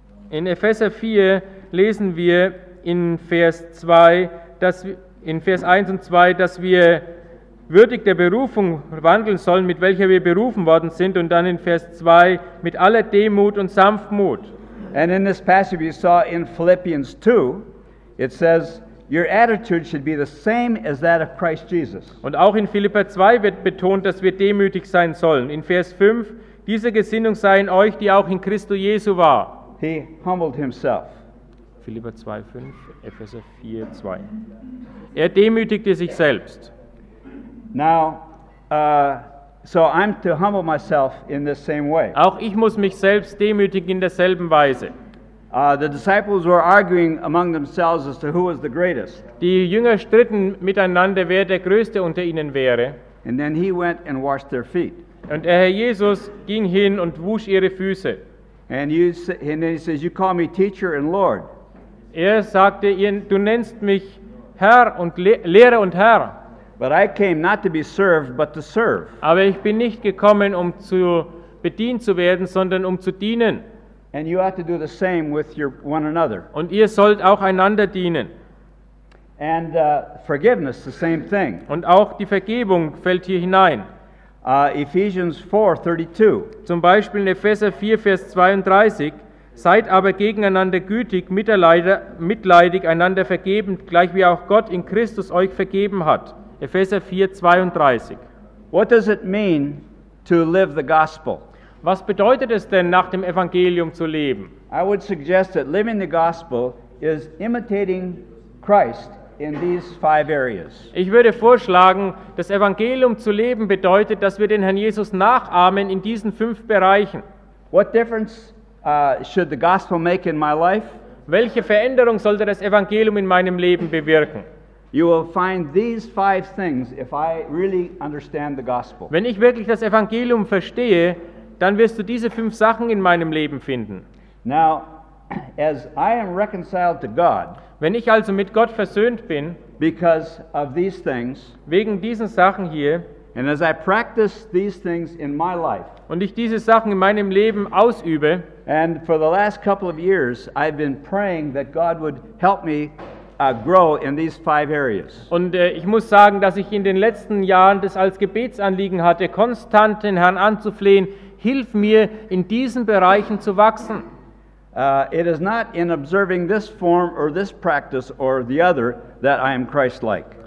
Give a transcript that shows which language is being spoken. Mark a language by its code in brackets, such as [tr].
[de] In Epheser 4 lesen wir in Vers 1 und 2, dass wir würdig der Berufung wandeln sollen, mit welcher wir berufen worden sind, und dann in Vers 2 mit aller Demut und Sanftmut. [en] And in this passage we saw in Philippians 2, it says, "Your attitude should be the same as that of Christ Jesus." [de] Und auch in Philipper 2 wird betont, dass wir demütig sein sollen. In Vers 5: "Diese Gesinnung sei in euch, die auch in Christo Jesu war." [en] He humbled himself. [de] Philipper 2:5, Epheser 4:2. Er demütigte sich selbst. [en] Now, so I'm to humble myself in the same way. [de] Auch ich muss mich selbst demütigen in derselben Weise. [en] The disciples were arguing among themselves as to who was the greatest. [de] Die Jünger stritten miteinander, wer der Größte unter ihnen wäre. [en] And then he went and washed their feet. [de] Und der Herr Jesus ging hin und wusch ihre Füße. [en] And then he says, "You call me teacher and Lord." [de] Er sagte ihnen, du nennst mich Herr und Lehrer und Herr. [en] But I came not to be served, but to serve. [de] Aber ich bin nicht gekommen, um zu bedient zu werden, sondern um zu dienen. [en] And you ought to do the same with your one another. [de] Und ihr sollt auch einander dienen. [en] And forgiveness, the same thing. [de] Und auch die Vergebung fällt hier hinein. [en] Ephesians 4:32. [de] Zum Beispiel in Epheser 4, Vers 32. "Seid aber gegeneinander gütig, mitleidig, einander vergebend, gleich wie auch Gott in Christus euch vergeben hat." Epheser 4:32. [en] What does it mean to live the gospel? [de] Was bedeutet es denn, nach dem Evangelium zu leben? [en] I would suggest that living the gospel is imitating Christ in these five areas. [de] Ich würde vorschlagen, das Evangelium zu leben bedeutet, dass wir den Herrn Jesus nachahmen in diesen fünf Bereichen. [en] What difference should the gospel make in my life? [de] Welche Veränderung sollte das Evangelium in meinem Leben bewirken? [en] You will find these five things if I really understand the gospel. [de] Wenn ich wirklich das Evangelium verstehe, dann wirst du diese fünf Sachen in meinem Leben finden. [en] Now, as I am reconciled to God, [de] wenn ich also mit Gott versöhnt bin, [en] because of these things, [de] wegen diesen Sachen hier, [en] and as I practice these things in my life, [de] und ich diese Sachen in meinem Leben ausübe, [en] and for the last couple of years I've been praying that God would help me grow in these five areas. [de] Und ich muss sagen, dass ich in den letzten Jahren das als Gebetsanliegen hatte, konstant den Herrn anzuflehen: Hilf mir, in diesen Bereichen zu wachsen. [en] It is not in observing this form or this practice or the other that I am Christ-like.